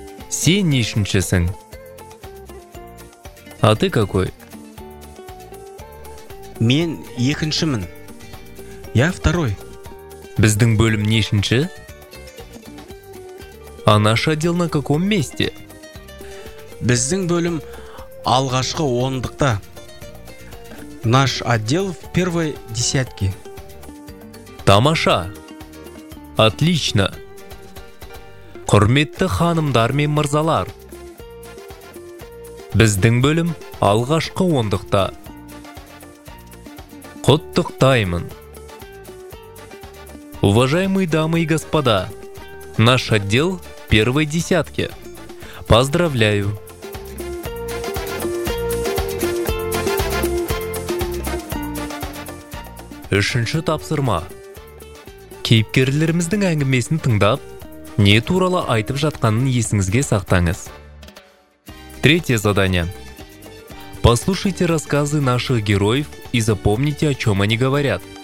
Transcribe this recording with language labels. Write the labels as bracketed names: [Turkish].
[Kazakh] Сен нешіншісің? [Russian] А ты какой? [Kazakh] Мен екіншімін. [Russian] Я второй. [Kazakh] Біздің бөлім нешінші? [Russian] А наш отдел на каком месте? [Kazakh] Біздің бөлім алғашқы ондықта. [Russian] Наш отдел в первой десятке. [Kazakh] Тамаша. [Russian] Отлично. [Kazakh] Құрметті ханымдар мен мырзалар. Біздің бөлім алғашқы ондықта. Құттықтаймын. [Russian] Уважаемые дамы и господа, наш отдел в первой десятке. Поздравляю. [Kazakh] Үшінші тапсырма. Кейіпкерлеріміздің әңгімесін тыңдап, не туралы айтып жатқанын есіңізге сақтаңыз. [Russian] Третье задание. Послушайте рассказы наших героев и запомните, о чем они говорят.